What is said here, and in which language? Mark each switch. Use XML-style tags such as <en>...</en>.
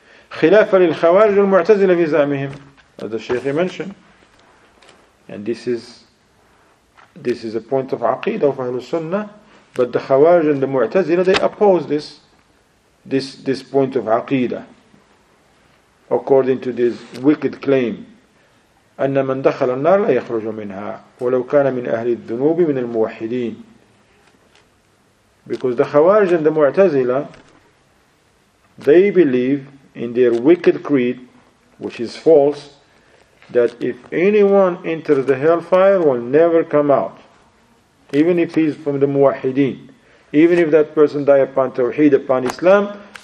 <ar>خلافا للخوارج والمعتزلة في زعمهم,</ar> <en>as the Shaykh mentioned, and this is a point of aqidah of Ahlul Sunnah, but the Khawarij and the Mu'tazila, they oppose this point of aqidah according to this wicked claim.</en> <ar>أن من دخل النار لا يخرج منها ولو كان من أهل الذنوب من الموحدين.</ar> <en>Because the Khawarij and the Mu'tazila, they believe in their wicked creed, which is false, that if anyone enters the hellfire, will never come out, even if he's from the Muwahideen, even if that person died upon Tawheed, upon Islam.</en>